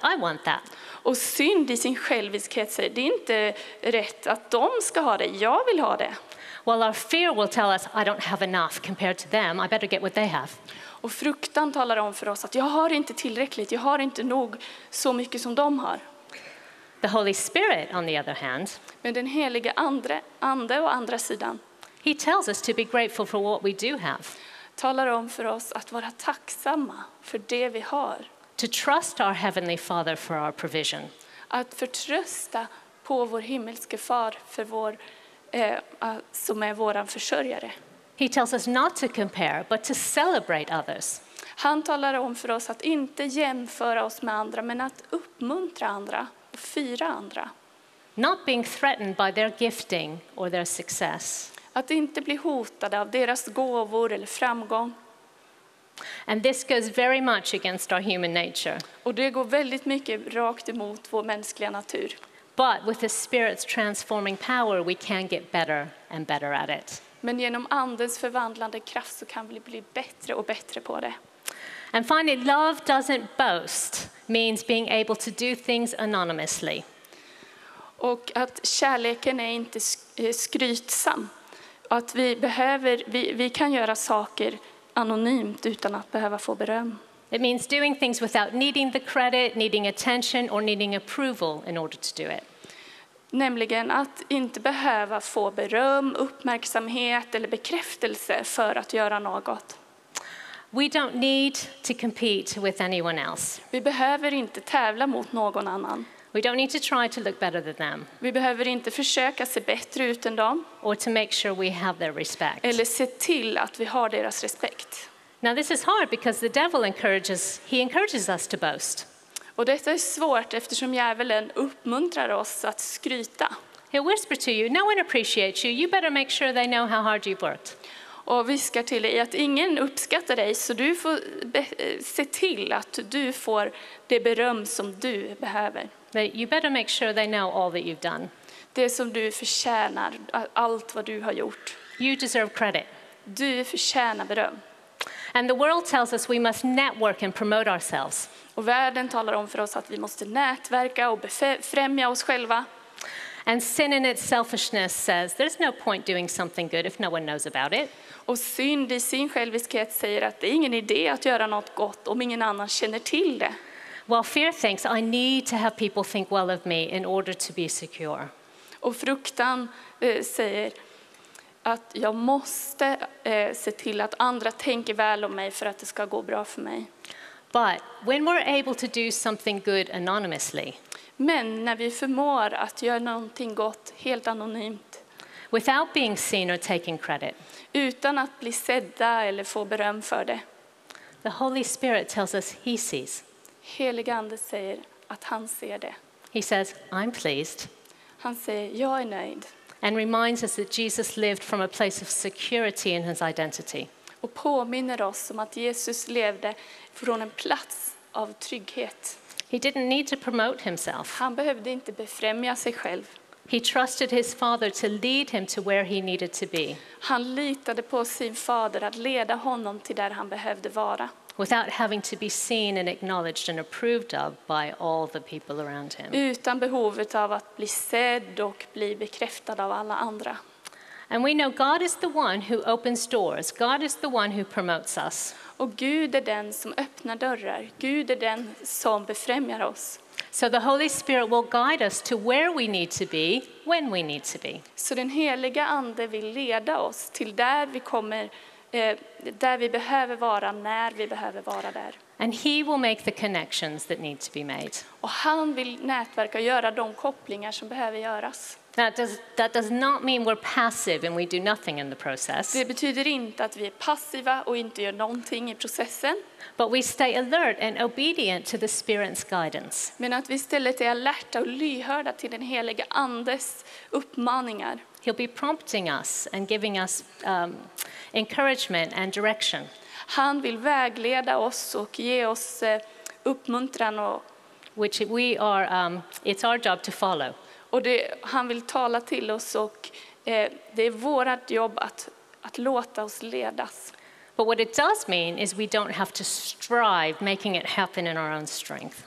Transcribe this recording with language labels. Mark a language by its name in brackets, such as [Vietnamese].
[English] I want that. [Swedish] Och synd i sin själviskhet säger, det är inte rätt att de ska ha det. Jag vill ha det. [English] Well, our fear will tell us I don't have enough compared to them. I better get what they have. [Swedish] Och fruktan talar om för oss att jag har inte tillräckligt. Jag har inte nog så mycket som de har. [English] The Holy Spirit, on the other hand. [Swedish] Men den helige ande å andra sidan. [English] He tells us to be grateful for what we do have. [Swedish] Talar om för oss att vara tacksamma för det vi har. [English] To trust our heavenly Father for our provision. [Swedish] Att förtrösta på vår himmelske far för vår som är våran försörjare. [English] He tells us not to compare but to celebrate others. [Swedish] Han talar om för oss att inte jämföra oss med andra men att uppmuntra andra och fira andra. [English] Not being threatened by their gifting or their success. [Swedish] Att inte bli hotade av deras gåvor eller framgång. [English] And this goes very much against our human nature. [Swedish] Och det går väldigt mycket rakt emot vår mänskliga natur. [English] But with the Spirit's transforming power, we can get better and better at it. [Swedish] Men genom andens förvandlande kraft så kan vi bli bättre och bättre på det. [English] And finally, love doesn't boast means being able to do things anonymously. [Swedish] Och att kärleken är inte skrytsam. Att vi behöver, vi kan göra saker anonymt utan att behöva få beröm. [English] It means doing things without needing the credit, needing attention or needing approval in order to do it. [Swedish] Nämligen att inte behöva få beröm, uppmärksamhet eller bekräftelse för att göra något. [English] We don't need to compete with anyone else. [Swedish] Vi behöver inte tävla mot någon annan. [English] We don't need to try to look better than them. [Swedish] Vi behöver inte försöka se bättre ut än dem. [English] Or to make sure we have their respect. [Swedish] Eller se till att vi har deras respekt. [English] Now this is hard because the devil encourages us to boast. [Swedish] Och detta är svårt eftersom djävulen uppmuntrar oss att skryta. [English] He whispers to you, no one appreciates you. You better make sure they know how hard you've worked. [Swedish] Och viskar till dig att ingen uppskattar dig, så du får se till att du får det beröm som du behöver. [English] But you better make sure they know all that you've done. [Swedish] Det som du förtjänar, allt vad du har gjort. [English] You deserve credit. [Swedish] Du förtjänar beröm. [English] And the world tells us we must network and promote ourselves. [Swedish] Och världen talar om för oss att vi måste nätverka och främja oss själva. [English] And sin in its selfishness says there's no point doing something good if no one knows about it. [Swedish] Och synd i sin själviskhet säger att det är ingen idé att göra något gott om ingen annan känner till det. [English] Well, fear thinks I need to have people think well of me in order to be secure. [Swedish] Och fruktan säger att jag måste se till att andra tänker väl om mig för att det ska gå bra för mig. [English] But when we're able to do something good anonymously. [Swedish] Men när vi förmår att göra någonting gott helt anonymt. [English] Without being seen or taking credit. [Swedish] Utan att bli sedda eller få beröm för det. [English] The Holy Spirit tells us he sees. [Swedish] Helige ande säger att han ser det. [English] He He says, I'm pleased. [Swedish] Han säger, jag är nöjd. [English] And reminds us that Jesus lived from a place of security in his identity. [Swedish] Och påminner oss om att Jesus levde från en plats av trygghet. [English] He didn't need to promote himself. [Swedish] Han behövde inte befrämja sig själv. [English] He trusted his father to lead him to where he needed to be. [Swedish] Han litade på sin fader att leda honom till där han behövde vara. [English] Without having to be seen and acknowledged and approved of by all the people around him. [Swedish] Utan behovet av att bli sedd och bli bekräftad av alla andra. [English] And we know God is the one who opens doors. God is the one who promotes us. [Swedish] Och Gud är den som öppnar dörrar. Gud är den som befrämjar oss. [English] So the Holy Spirit will guide us to where we need to be, when we need to be. [Swedish] Så den heliga ande vill leda oss till där vi kommer, där vi behöver vara, när vi behöver vara där. [English] And he will make the connections that need to be made. [Swedish] Och han vill nätverka och göra de kopplingar som behöver göras. [English] That does not mean we're passive and we do nothing in the process. [Swedish] Det betyder inte att vi är passiva och inte gör någonting i processen. [English] But we stay alert and obedient to the Spirit's guidance. [Swedish] Men att vi istället är alerta och lyhörda till den heliga andes uppmaningar. [English] He'll be prompting us and giving us encouragement and direction. [Swedish] Han vill vägleda oss och ge oss uppmuntran och [English] which we are it's our job to follow. [Swedish] Och det, han vill tala till oss och det är vårt jobb att låta oss ledas. [English] But what it does mean is we don't have to strive making it happen in our own strength.